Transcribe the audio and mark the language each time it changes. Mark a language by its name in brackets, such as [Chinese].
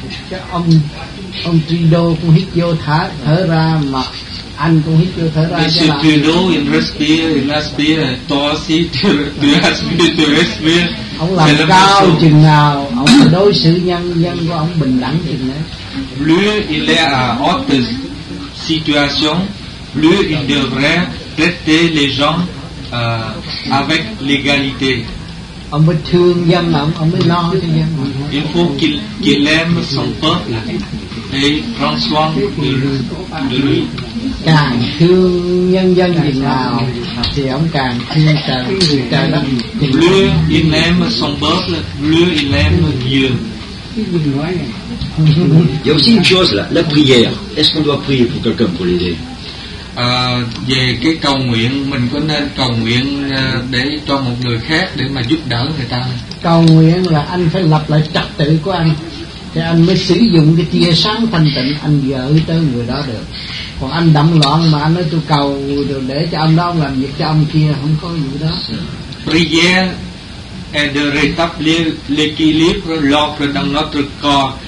[Vietnamese] Cái ông Trudeau cũng hít vô thở ra mà anh cũng hít vô thở ra. [French] Monsieur Trudeau, il respire, il aspire, toi aussi, tu aspires, tu respires. [Vietnamese] Ông làm cao chừng nào, ông đối xử nhân dân của ông bình đẳng chừng đấy. [French] Plus il est à haute situation, plus il devrait traiter les gens avec l'égalité. [Vietnamese] Ông mới thương dân mà ông mới lo cho dân. [French] Il faut qu'il aime son peuple et prend soin de lui. [Vietnamese] Càng thương nhân dân thì nào thì ông càng thương trời đất. [French] Plus il aime son peuple, plus il aime Dieu. Il y a aussi une chose là la prière. Est-ce qu'on doit prier pour quelqu'un pour l'aider? [Vietnamese] Về cái cầu nguyện, mình có nên cầu nguyện để cho một người khác để mà giúp đỡ người ta? Cầu nguyện là anh phải lập lại trật tự của anh thì anh mới sử dụng cái tia sáng thanh tịnh anh gửi tới người đó được. Còn anh đậm loạn mà anh nói tôi cầu được để cho anh đó làm việc cho ông kia, không có gì đó. [French] Prière est de rétablir l'équilibre l'ordre dans notre corps.